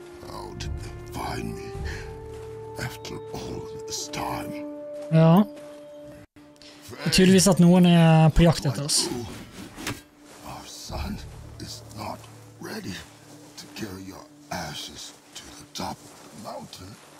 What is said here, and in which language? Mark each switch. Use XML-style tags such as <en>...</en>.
<en>How did they find me after all this time?</en> <no>Ja. Tydeligvis at noen på jakt etter oss.</no> <en>Our son is not ready to carry your ashes to the top of the mountain.</en>